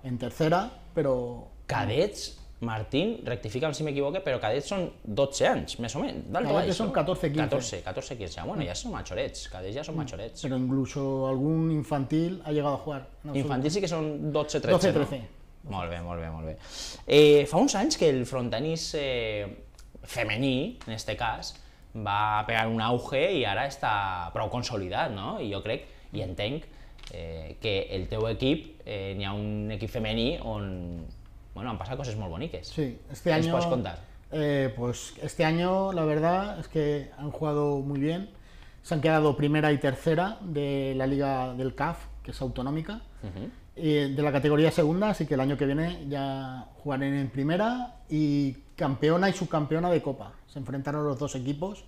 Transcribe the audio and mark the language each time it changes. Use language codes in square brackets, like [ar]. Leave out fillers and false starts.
[es] En tercera, pero... Cadets, Martín, rectifican si me equivoco, pero cadets son 12 años, más o menos. Cadets son 14-15. 14-15, bueno, ya son machorets, cadets ya son machorets. Pero incluso algún infantil ha llegado a jugar. Infantil sí que son 12-13. 12-13. [ca] No? Molt bé, molt bé, molt bé. Fa uns anys que el frontenis femení, en este cas, va pegar un auge i ara està prou consolidat, no? I jo crec i entenc que el teu equip, n'hi ha un equip femení on, bueno, han passat coses molt boniques. [es] Sí, este año... [ca] Ens pots contar? [es] Pues este año, la verdad, es que han jugado muy bien. Se han quedado primera y tercera de la Liga del CAF, que es autonómica. De la categoría segunda, así que el año que viene ya jugaré en primera y campeona y subcampeona de copa. Se enfrentaron los dos equipos,